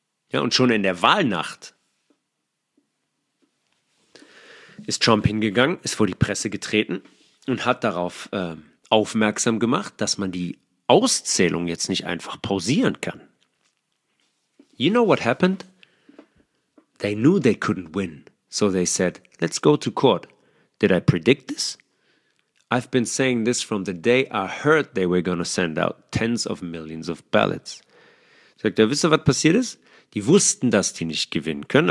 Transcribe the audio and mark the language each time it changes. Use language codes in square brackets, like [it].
[de] Ja, und schon in der Wahlnacht ist Trump hingegangen, ist vor die Presse getreten und hat darauf aufmerksam gemacht, dass man die Auszählung jetzt nicht einfach pausieren kann. [en] You know what happened? They knew they couldn't win. So they said, let's go to court. Did I predict this? I've been saying this from the day I heard they were gonna send out tens of millions of ballots. [de] Sagt er, wisst ihr, was passiert ist? Die wussten, dass die nicht gewinnen können.